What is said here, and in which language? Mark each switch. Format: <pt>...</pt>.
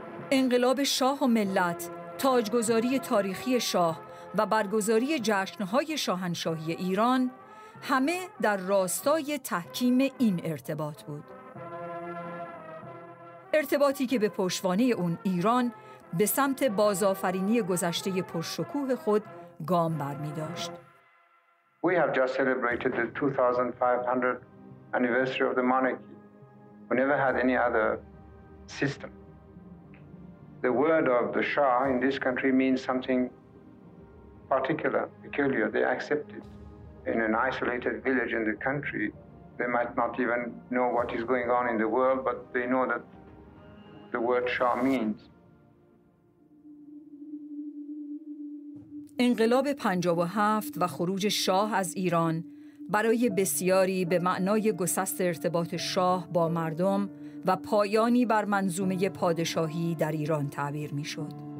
<fa>انقلاب شاه و ملت، تاجگذاری تاریخی شاه و برگزاری جشنهای شاهنشاهی ایران همه در راستای تحکیم این ارتباط بود. ارتباطی که به پشتوانه اون ایران به سمت بازآفرینی گذشته پرشکوه خود گام برمی داشت.</fa> <en>We have just celebrated the 2500th anniversary of the monarchy. We never had any other system. The word of the Shah in this country means something particular, peculiar. They accept it in an isolated village in the country. They might not even know what is going on in the world, but they know that the word Shah means.</en> <fa>انقلاب 57 و خروج شاه از ایران برای بسیاری به معنای گسست ارتباط شاه با مردم و پایانی بر منظومه پادشاهی در ایران تعبیر می شد.</fa>